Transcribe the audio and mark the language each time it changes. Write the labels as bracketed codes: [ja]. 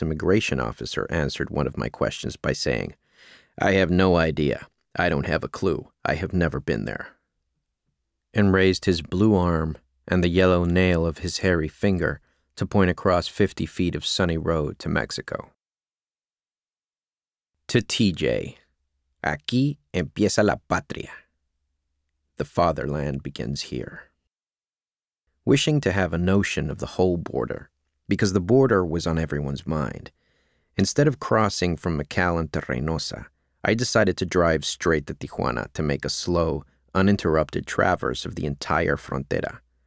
[en] immigration officer answered one of my questions by saying, "I have no idea. I don't have a clue. I have never been there." And raised his blue arm and the yellow nail of his hairy finger to point across 50 feet of sunny road to Mexico. [es] To TJ, aquí empieza la patria. [en] The fatherland begins here. Wishing to have a notion of the whole border, because the border was on everyone's mind, instead of crossing from McAllen to Reynosa, I decided to drive straight to Tijuana to make a slow, uninterrupted traverse of the entire frontera,